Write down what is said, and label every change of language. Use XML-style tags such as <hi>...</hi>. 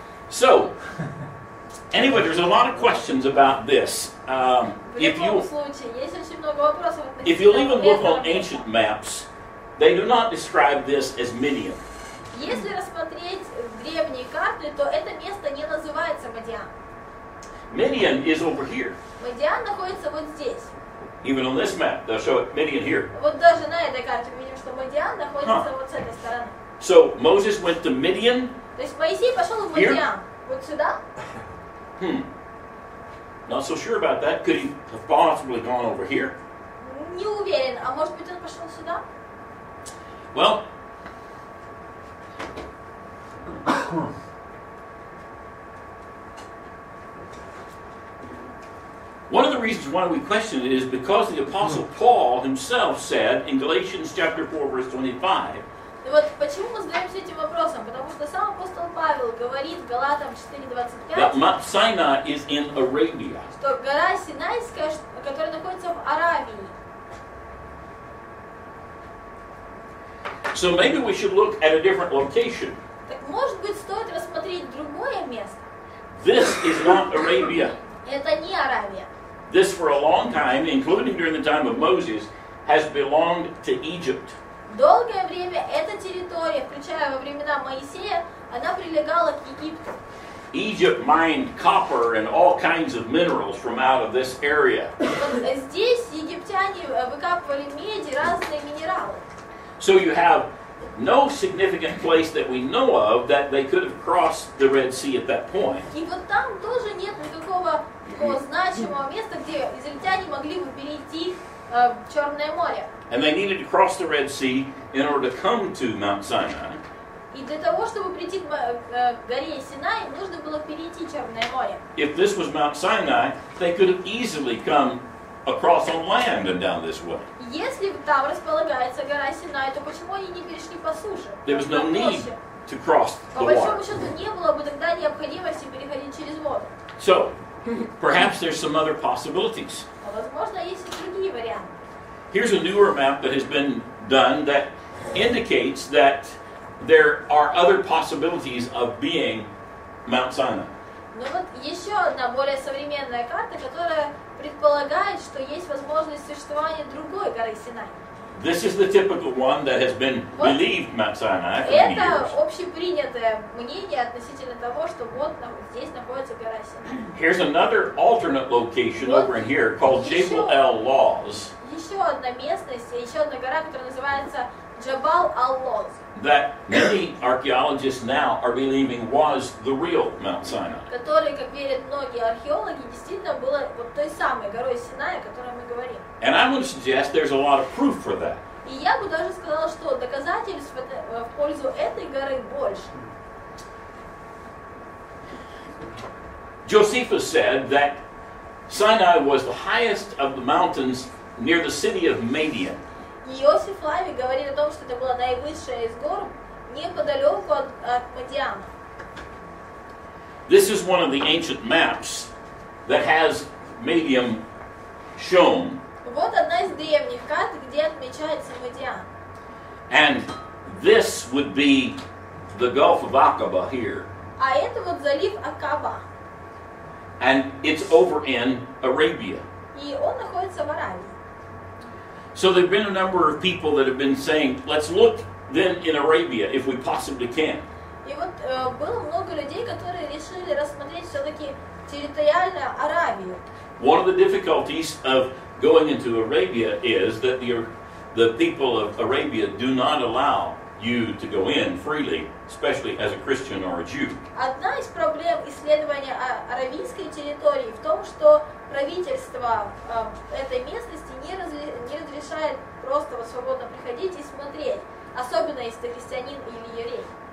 <en>So, anyway, there's a lot of questions about this. If you'll even look on ancient maps, they do not describe this as Midian.</en> <ru>Если рассмотреть древние карты, то это место не называется Мадиан.</ru> <en>Midian is over here.</en> <ru>Мадиан находится вот здесь.</ru> <en>Even on this map, they'll show it Midian here.</en> <ru>Вот даже на этой карте мы видим, что Мадиан находится вот с этой стороны.</ru> <en>So Moses went to Midian.</en> <ru>То есть Моисей пошел в Мадиан. Вот сюда.</ru> <en>Not so sure about that. Could he have possibly gone over here?</en> <ru>Не уверен. А может быть он пошел сюда?</ru> <en>Well. One of the reasons why we question it is because the Apostle Paul himself said in Galatians chapter 4, verse 25.</en> <ru>Ну вот почему мы задаемся этим вопросом? Потому что сам апостол Павел говорит в Галатам 4:25.</ru> <en>That Mount Sinai is in Arabia.</en> <ru>Что гора Синайская, которая находится в Аравии.</ru> <en>So maybe we should look at a different location.</en> <ru>Так может быть стоит рассмотреть другое место?</ru> <en>This is not Arabia.</en> <ru>Это не Аравия.</ru> <en>This for a long time, including during the time of Moses, has belonged to Egypt.</en> <ru>Долгое время эта территория, включая во времена Моисея, она прилегала к Египту.</ru> <en>Egypt mined copper and all kinds of minerals from out of this area.</en> <ru>Здесь египтяне выкапывали меди, разные минералы.</ru> <en>So you have no significant place that we know of that they could have crossed the Red Sea at that point.</en> <ru>И вот там тоже нет никакого значимого места, где израильтяне могли бы перейти Черное море.</ru> <en>And they needed to cross the Red Sea in order to come to Mount Sinai.</en> <ru>И для того, чтобы прийти к горе Синай, нужно было перейти Черное море.</ru> <en>If this was Mount Sinai, they could have easily come across on land and down this way.</en> <ru>Если там располагается гора Синай, то почему они не перешли по суше?</ru> <en>There was no need to cross the water.</en> <ru>По большому счету не было бы тогда необходимости переходить через воду.</ru> <en>So, perhaps there's some other possibilities.</en> <ru>Возможно, есть и другие варианты.</ru> <en>Here's a newer map that has been done that indicates that there are other possibilities of being Mount Sinai.</en> <ru>Но вот еще одна более современная карта, которая предполагает, что есть возможность существования другой горы Синай.</ru> <en>This is the typical one that has been believed Mount Sinai for many years.</en> <ru>Это общепринятое мнение относительно того, что вот там здесь находится гора Синай.</ru> <en>Here's another alternate location over here called Jabal al-Laws.</en> <ru>Еще одна местность, еще одна гора, которая называется Jabal al-Laws.</ru> <en>That many archaeologists now are believing was the real Mount Sinai.</en> <ru>Который, как верят многие археологи, действительно было вот той самой горой Синай, о которой мы говорим.</ru> <en>And I would suggest there's a lot of proof for that.</en> <ru>И я бы даже сказала, что доказательств в пользу этой горы больше.</ru> <en>Josephus said that Sinai was the highest of the mountains near the city of Media.</en> <ru>Иосиф Флавий говорит о том, что это была наивысшая из гор неподалеку от, от Мадиана.</ru> <en>This is one of the ancient maps that has Medium shown.</en> <ru>Вот одна из древних карт, где отмечается Мадиан.</ru> <en>And this would be the Gulf of Aqaba here.</en> <ru>А это вот залив Акаба.</ru> <en>And it's over in Arabia.</en> <ru>И он находится в Аравии.</ru> <en>So there've been a number of people that have been saying, let's look then in Arabia if we possibly can.</en> <ru>И вот было много людей, которые решили рассмотреть все-таки территориально Аравию.</ru> <en>One of the difficulties of going into Arabia is that the people of Arabia do not allow you to go in freely, especially as a Christian or a Jew.</en> <ru>Одна из проблем исследования аравийской территории в том, что правительство этой местности не разрешает просто свободно приходить и смотреть, особенно если ты христианин или еврей.</ru>